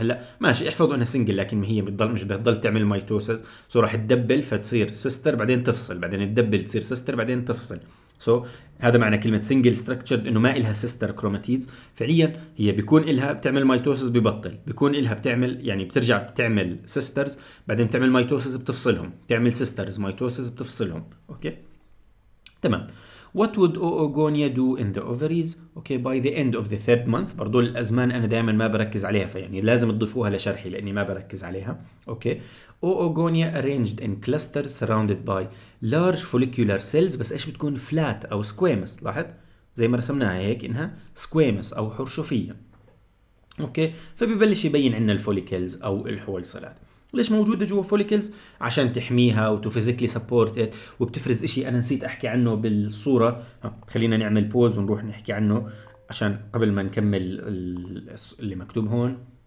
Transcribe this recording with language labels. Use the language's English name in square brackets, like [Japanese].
[Arabic] هلا ماشي احفظوا انها سنجل، لكن ما هي بتضل مش بتضل تعمل ميتوسيس، سو راح تدبل فتصير سيستر بعدين تفصل، بعدين تدبل تصير سيستر بعدين تفصل. سو هذا معنى كلمة سنجل ستراكتشرد، انه ما إلها سيستر كروماتيدز. فعليا هي بيكون إلها بتعمل ميتوسيس ببطل، بيكون إلها بتعمل يعني بترجع بتعمل سيسترز بعدين بتعمل ميتوسيس بتفصلهم، تعمل سيسترز ميتوسيس بتفصلهم. اوكي، تمام. [English] What would oogonia do in the ovaries? Okay, by the end of the third month. [Arabic] برضو الأزمان أنا دائما ما بركز عليها، فيعني لازم تضيفوها لشرحي لأني ما بركز عليها. [English] Okay, oogonia arranged in clusters surrounded by large follicular cells. [Arabic] بس إيش بتكون؟ flat أو squamous. لاحظ زي ما رسمناها هيك إنها squamous أو حرشوفية. Okay, فبيبلش يبين عنا الفوليكلز أو الحويصلات. ليش موجوده جوا فوليكلز؟ عشان تحميها وتو فيزيكلي سبورت ات، وبتفرز شيء انا نسيت احكي عنه بالصوره، خلينا نعمل بوز ونروح نحكي عنه عشان قبل ما نكمل اللي مكتوب هون.